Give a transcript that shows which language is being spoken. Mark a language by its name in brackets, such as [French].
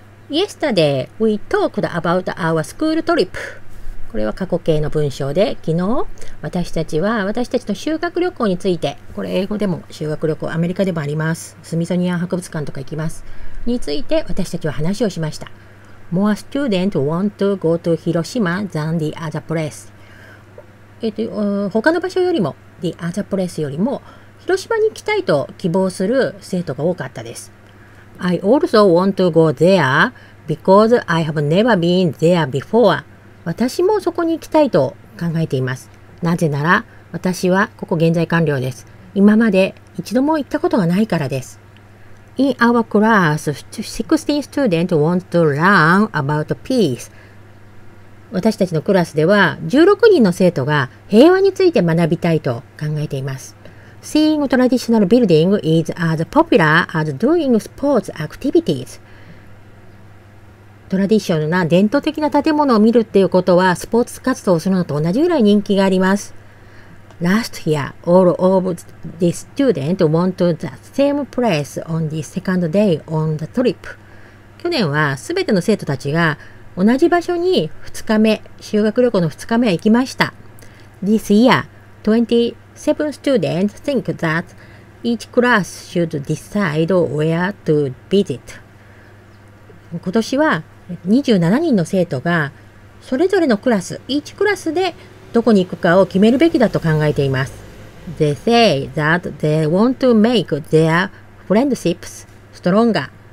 [English] Yesterday we talked about our school trip。 [Japanese] これは過去形の文章で、昨日私たちは私たちの修学旅行について、これ英語でも修学旅行、アメリカでもあります、スミソニアン博物館とか行きますについて私たちは話をしました。 [English] More students want to go to Hiroshima than the other place。 [Japanese] 他の場所よりも、 [English] The other place [Japanese] よりも、広島に行きたいと希望する生徒が多かったです。 [English] I also want to go there because I have never been there before。 [Japanese] 私もそこに行きたいと考えています。なぜなら、私はここ現在完了です。今まで一度も行ったことがないからです。 [English] In our class, 16 students want to learn about peace。 [Japanese] 私たちのクラスでは16人の生徒が平和について学びたいと考えています。 [English] Seeing traditional building is as popular as doing sports activities。 [Japanese] トラディションな伝統的な建物を見るっていうことはスポーツ活動をするのと同じぐらい人気があります。 [English] Last year, all of the students went to the same place on the second day on the trip。 [Japanese] 去年はすべての生徒たちが同じ場所に2日目、修学旅行の2日目は行きました。 [English] This year, 27 students think that each class should decide where to visit. [Japanese] 今年は27人の生徒がそれぞれのクラス、each クラスでどこに行くかを決めるべきだと考えています。 [English] They say that they want to make their friendships stronger.